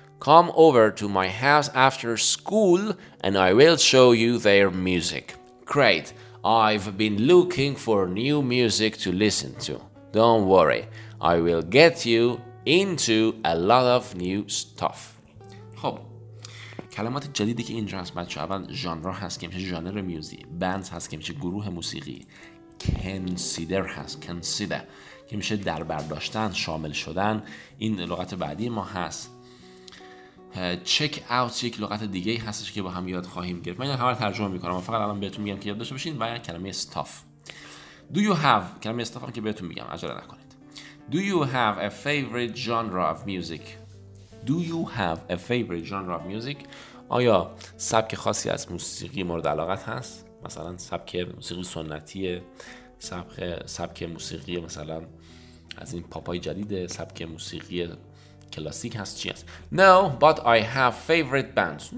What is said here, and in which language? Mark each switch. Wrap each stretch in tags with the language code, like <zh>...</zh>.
<en>Come over to my house after school and I will show you their music. Great. I've been looking for new music to listen to. Don't worry. I will get you into a lot of new stuff.</en> <fa>خب، کلمات جدیدی که اینجا هست بچه، اول ژانر هست که میشه ژانر میوزیک، بند هست که میشه گروه موسیقی، کنسیدر هست، کنسیدر که میشه در برداشتن، شامل شدن، این لغت بعدی ما هست. چک اوت یک لغت دیگه هستش که با هم یاد خواهیم گرفت. من همه رو ترجمه میکنم، من فقط الان بهتون میگم که یاد داشته باشین. و کلمه استاف،</fa> <en>Do you have،</en> <fa>کلمه استاف هم که بهتون میگم، عجله نکنید.</fa> <en>Do you have a favorite genre of music? Do you have a favorite genre of music?</en> <fa>آیا سبک خاصی از موسیقی مورد علاقت هست؟ مثلا سبک موسیقی سنتی، سبک موسیقی مثلا از این پاپای جدید، سبک موسیقی کلاسیک هست، چی هست؟</fa> <en>No, but I have favorite bands.</en>